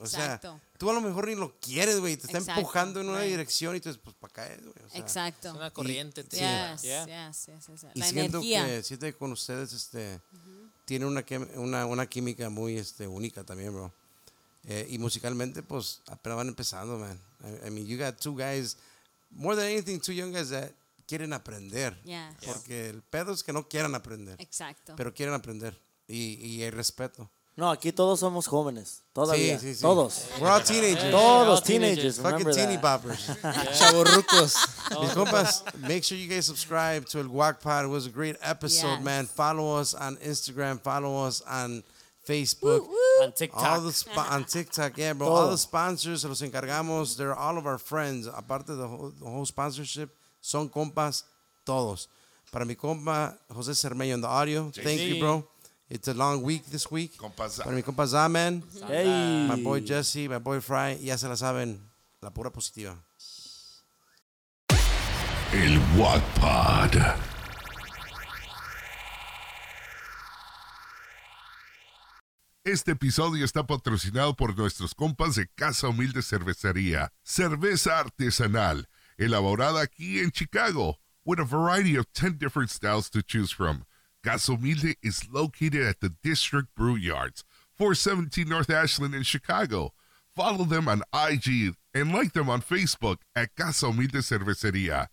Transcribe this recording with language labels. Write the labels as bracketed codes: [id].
[es] O sea, tú a lo mejor ni lo quieres, güey. Te está empujando en una dirección y tú dices, pues, ¿para caer, güey? O sea, exacto. Es una corriente. Y, yes. La energía. Y siento que, con ustedes, tiene una química muy única también, bro. Y musicalmente, pues, apenas van empezando, man. [en] I mean, you got two guys, more than anything, two young guys that [es] quieren aprender. [en] Yes. [es] Porque el pedo es que no quieran aprender. Exacto. Pero quieren aprender. Y hay respeto. No, aquí todos somos jóvenes. Todavía. Sí, sí, sí. Todos. [en] We're all teenagers. [es] Todos teenagers. [en] Fucking teeny boppers. [es] Chavorrucos. Mis compas, [en] make sure you guys subscribe to El Guac Pod. It was a great episode, man. Follow us on Instagram. Follow us on Facebook. On TikTok. On TikTok, yeah, bro. [es] Todo. [en] All the sponsors, [es] los encargamos. [en] They're all of our friends. [es] Aparte de [en] the whole sponsorship, [es] son compas todos. Para mi compa, [en] José Cermeño en the audio. JC. Thank you, bro. It's a long week this week. [es] Compasá. Mi compa Zaman. [en] Hey. My boy Jesse, my boy Fry. [es] Ya se la saben. La pura positiva. El Guac Pod. Este episodio está patrocinado por nuestros compas de Casa Humilde Cervecería. Cerveza artesanal. Elaborada aquí en Chicago. [en] With a variety of 10 different styles to choose from. Casa Humilde is located at the District Brew Yards, 417 North Ashland in Chicago. Follow them on IG and like them on Facebook at Casa Humilde Cervecería.